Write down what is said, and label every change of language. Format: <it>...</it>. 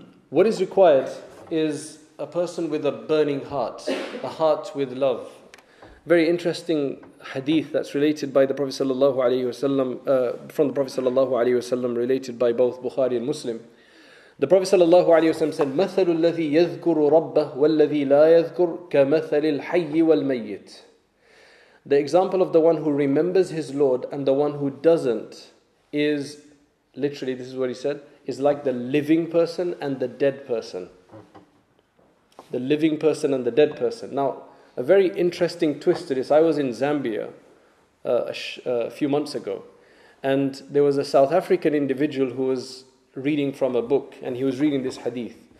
<en>What is required is a person with a burning heart, a heart with love. Very interesting hadith that's related by the Prophet sallallahu alaihi wasallam, from the Prophet sallallahu alaihi wasallam, related by both Bukhari and Muslim. The Prophet sallallahu alaihi wasallam said,</en> <ar>"مثل الذي يذكر ربه والذي لا يذكر كمثل الحي والميت."</ar> <en>The example of the one who remembers his Lord and the one who doesn't is literally, this is what he said, is like the living person and the dead person. The living person and the dead person. Now, a very interesting twist to this. I was in Zambia a few months ago, and there was a South African individual who was reading from a book, and he was reading this hadith.</en>